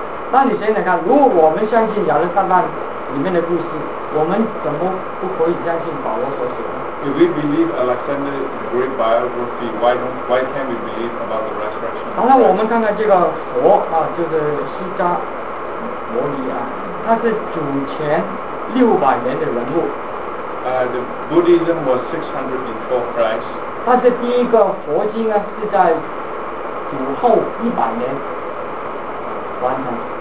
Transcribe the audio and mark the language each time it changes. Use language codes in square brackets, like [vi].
[zh] 那你想想看，如果我们相信亚历山大里面的故事，我们怎么不可以相信保罗所写的？ [en] If we believe Alexander the Great biography, why can't we believe about the resurrection? [zh] 然后我们看看这个佛啊，就是释迦。摩尼啊，他是主前600年的人物。 [en] The Buddhism was 600 before Christ. [zh] 他是第一个佛经啊，是在主后100年完成。